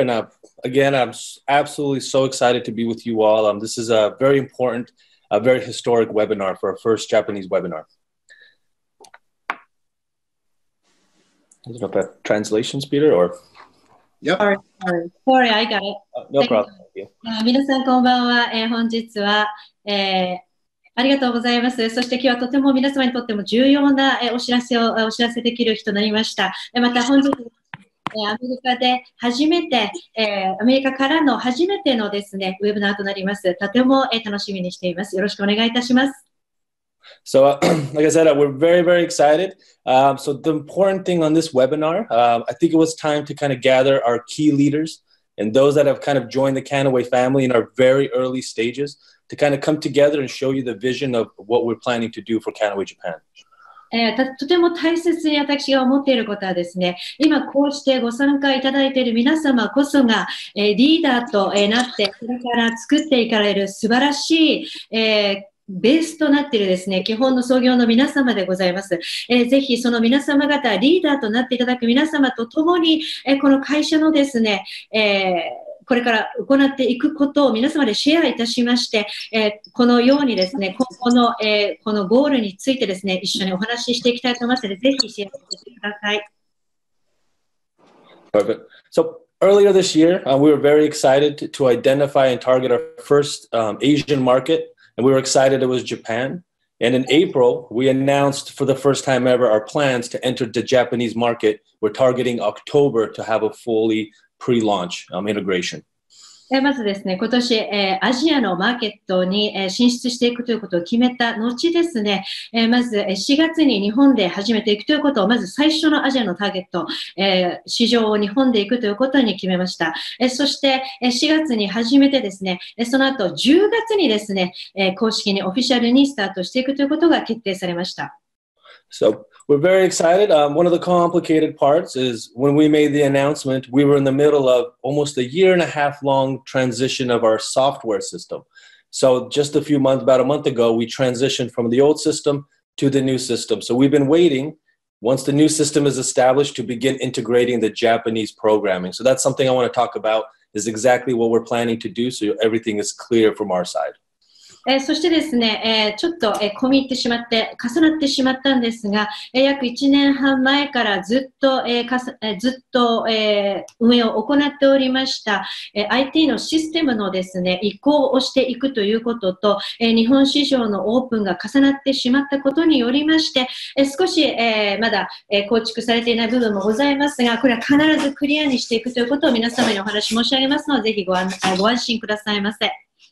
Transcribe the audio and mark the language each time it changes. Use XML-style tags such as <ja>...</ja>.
<en>And again, I'm absolutely so excited to be with you all. This is a very important, a very historic webinar for our first Japanese webinar. I don't know if that translations, Peter, or... Yep. Sorry, I got it. No problem.</en> <ja>皆さんこんばんは。本日は、ありがとうございます。そして今日はとても皆様にとっても重要な、お知らせをお知らせできる日となりました。また本日、アメリカで初めて、アメリカからの初めてのですね、ウェブナーとなります。とても、楽しみにしています。よろしくお願いいたします。</ja> <en>So, like I said, we're very, very excited. So the important thing on this webinar, I think it was time to kind of gather our key leaders and those that have kind of joined the Kannaway family in our very early stages to kind of come together and show you the vision of what we're planning to do for Kannaway Japan.</en> <ja>とても大切に私が思っていることはですね、今こうしてご参加いただいている皆様こそが、リーダーと、なってこれから作っていかれる素晴らしい、ベースとなっているですね、基本の創業の皆様でございます。ぜひその皆様方、リーダーとなっていただく皆様と共に、この会社のですね、これから行っていくことを皆様でシェアいたしまして、このようにですね、このゴールについてですね、一緒にお話ししていきたいと思いますので、ぜひシェアしてください。</ja> <en>Perfect. So earlier this year, we were very excited to identify and target our first, Asian market. And we were excited it was Japan. And in April, we announced for the first time ever our plans to enter the Japanese market. We're targeting October to have a fully pre-launch, integration.</en> <ja>まずですね、今年、アジアのマーケットに、進出していくということを決めた後ですね、まず4月に日本で始めていくということを、まず最初のアジアのターゲット、市場を日本で行くということに決めました。そして、4月に始めてですね、その後10月にですね、公式にオフィシャルにスタートしていくということが決定されました。</ja> <en>So, we're very excited. One of the complicated parts is when we made the announcement, we were in the middle of almost a year and a half long transition of our software system. So just a few months, about a month ago, we transitioned from the old system to the new system. So we've been waiting once the new system is established to begin integrating the Japanese programming. So that's something I want to talk about is exactly what we're planning to do. So everything is clear from our side.</en> <ja>そしてですね、ちょっと、込み入ってしまって重なってしまったんですが、約1年半前からずっと、ずっと、運営を行っておりました、IT のシステムのですね、移行をしていくということと、日本市場のオープンが重なってしまったことによりまして、少し、まだ、構築されていない部分もございますが、これは必ずクリアにしていくということを皆様にお話し申し上げますので、ぜひご安心くださいませ。</ja>